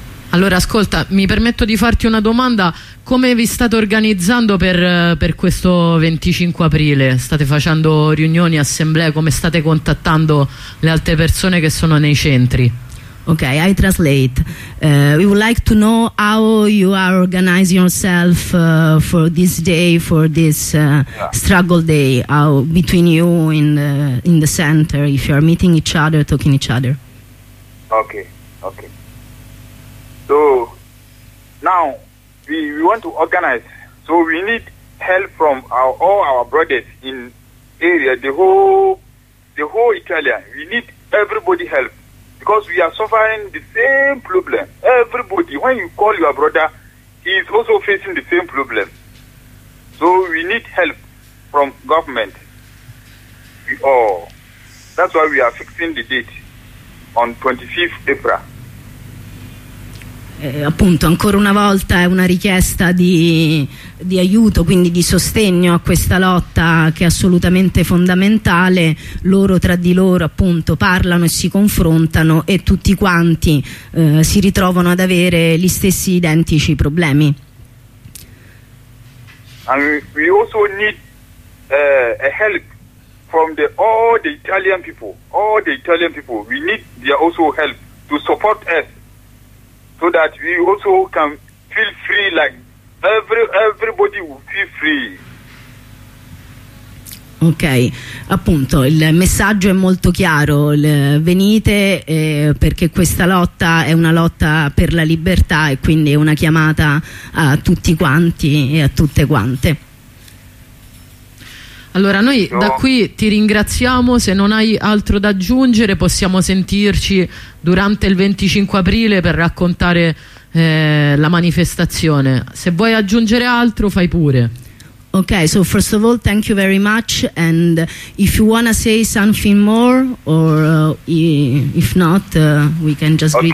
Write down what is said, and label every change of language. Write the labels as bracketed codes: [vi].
[it] Allora ascolta, mi permetto di farti una domanda: come vi state organizzando per questo 25 aprile? State facendo riunioni, assemblee? Come state contattando le altre persone che sono nei centri? [en] Okay, I translate. We would like to know how you are organizing yourself for this day, for this struggle day, how between you in the center, if you are meeting each other, talking to each other. Okay. So now we want to organize. So we need help from all our brothers in area, the whole the whole Italian. We need everybody help because we are suffering the same problem. Everybody, when you call your brother, he is also facing the same problem. So we need help from government. We all. That's why we are fixing the date on 25th April. [it] Appunto, ancora una volta è una richiesta di aiuto, quindi di sostegno a questa lotta che è assolutamente fondamentale. Loro tra di loro appunto parlano e si confrontano e tutti quanti si ritrovano ad avere gli stessi identici problemi. [en] And we also need a help from all the Italian people. All the Italian people, we need their also help to support us. So that we also can feel free, like everybody will feel free. [it] Ok, appunto, il messaggio è molto chiaro. Venite perché questa lotta è una lotta per la libertà e quindi è una chiamata a tutti quanti e a tutte quante. Allora noi da qui ti ringraziamo, se non hai altro da aggiungere possiamo sentirci durante il 25 aprile per raccontare la manifestazione. Se vuoi aggiungere altro fai pure. [en] Ok, so first of all thank you very much, and if you wanna say something more or if not we can just greet.